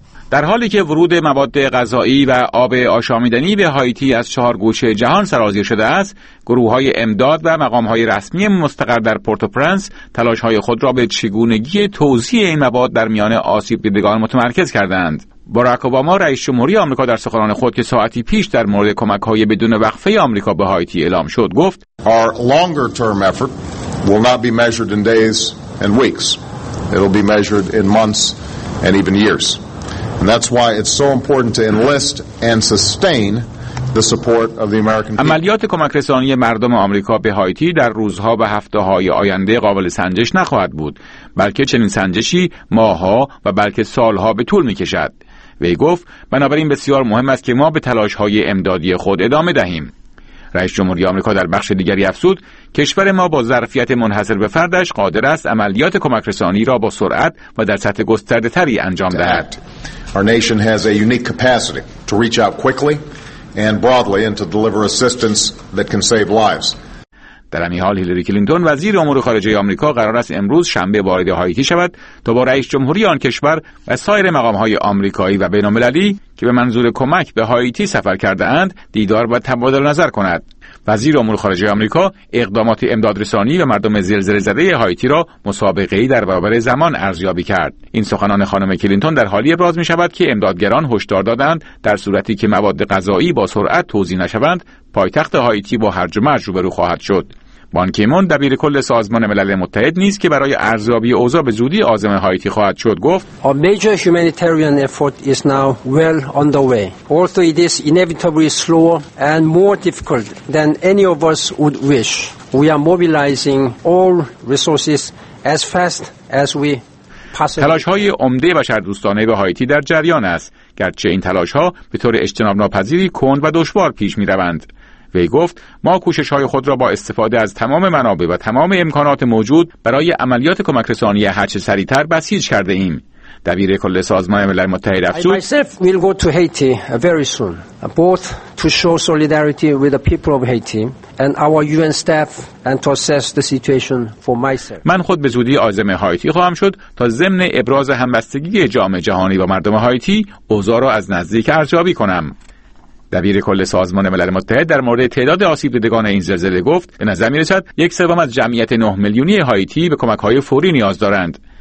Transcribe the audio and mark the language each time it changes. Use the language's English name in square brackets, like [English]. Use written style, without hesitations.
[Persian] در حالی که ورود مواد غذایی و آب آشامیدنی به هایتی از چهار گوشه جهان سرازیر شده است، گروه‌های امداد و مقام‌های رسمی مستقر در پورتوپرنس تلاش‌های خود را به چگونگی توزیع این مواد در میان آسیب دیدگان متمرکز کردند. باراک اوباما رئیس جمهوری آمریکا در سخنان خود که ساعتی پیش در مورد کمک‌های بدون وقفه آمریکا به هایتی اعلام شد، گفت: [English] Our longer term effort will not be measured in days and weeks. It'll be measured in months and even years. And that's why it's so important to enlist and sustain the support of the American people. [Persian] عملیات کمک رسانی مردم آمریکا به هایتی در روزها و هفته‌های آینده قابل سنجش نخواهد بود، بلکه چنین سنجشی ماه‌ها و بلکه سال‌ها به طول می‌کشد. وی گفت: بنابراین بسیار مهم است که ما به تلاش‌های امدادی خود ادامه دهیم. رئیس جمهوری آمریکا در بخش دیگری افزود: کشور ما با ظرفیت منحصر به فردش قادر است عملیات کمک رسانی را با سرعت و در سطح گسترده‌تری انجام دهد. [English] Our nation has a unique capacity to reach out quickly and broadly and to deliver assistance that can save lives. [Persian] در همین حال هیلری کلینتون وزیر امور خارجه آمریکا قرار است امروز شنبه وارد هایتی شود تا با رئیس جمهوری آن کشور و سایر مقام‌های آمریکایی و بین‌المللی که به منظور کمک به هایتی سفر کرده‌اند دیدار و تبادل نظر کند. وزیر امور خارجه آمریکا اقدامات امدادرسانی به مردم زلزله‌زده هایتی را مسابقه‌ای در برابر زمان ارزیابی کرد. این سخنان خانم کلینتون در حالی ابراز می‌شود که امدادگران هشدار دادند در صورتی که مواد غذایی با سرعت توزیع نشوند، پایتخت هایتی با هرج و مرج روبرو خواهد شد. بان کی‌مون دبیر کل سازمان ملل متحد نیز که برای ارزیابی اوضاع به زودی عازم هایتی خواهد شد، گفت: [English] A major humanitarian effort is now well underway. Although it is inevitably slower and more difficult than any of us would wish, we are mobilizing all resources as fast as we possibly. [Persian] تلاش‌های عمده بشردوستانه به هایتی در جریان است، گرچه این تلاش‌ها به طور اجتناب ناپذیری کند و دشوار پیش می‌روند. وی گفت: ما کوشش‌های خود را با استفاده از تمام منابع و تمام امکانات موجود برای عملیات کمک رسانی هر چه سریع‌تر بسیج کرده ایم. دبیر کل سازمان ملل متحد افزود: [English] I myself will go to Haiti very soon, both to show solidarity with the people of Haiti and our UN staff and to assess the situation for myself. [Persian] من خود به زودی عازم هایتی خواهم شد تا ضمن ابراز همبستگی جامعه جهانی با مردم هایتی اوضاع را از نزدیک ارزیابی کنم. دبیر کل سازمان ملل متحد در مورد تعداد آسیب دیدگان این زلزله گفت: به نظر می رسد یک سوم از جمعیت 9 میلیونی هایتی به کمک‌های فوری نیاز دارند.